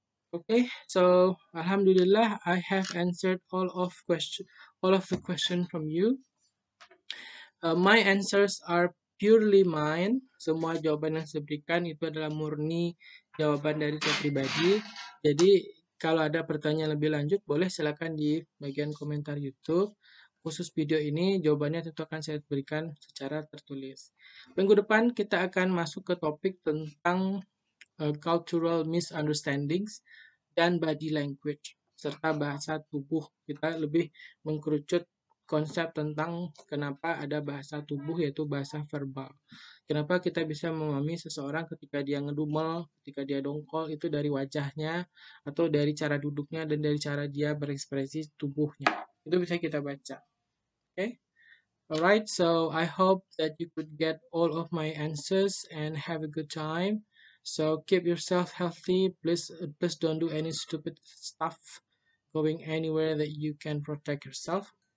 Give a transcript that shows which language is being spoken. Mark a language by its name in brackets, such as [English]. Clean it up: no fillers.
[English] Okay, so alhamdulillah, I have answered all of the questions from you. My answers are purely mine. [Indonesian] Semua jawaban yang saya berikan itu adalah murni jawaban dari saya pribadi. Jadi kalau ada pertanyaan lebih lanjut, boleh silakan di bagian komentar YouTube. Khusus video ini, jawabannya tentu akan saya berikan secara tertulis. Minggu depan kita akan masuk ke topik tentang cultural misunderstandings dan body language serta bahasa tubuh. Kita lebih mengkerucut konsep tentang kenapa ada bahasa tubuh, yaitu bahasa verbal. Kenapa kita bisa memahami seseorang ketika dia ngedumel, ketika dia dongkol, itu dari wajahnya atau dari cara duduknya dan dari cara dia berekspresi tubuhnya. Itu bisa kita baca. Okay? [English] Alright, so I hope that you could get all of my answers and have a good time. So keep yourself healthy, please don't do any stupid stuff going anywhere that you can protect yourself.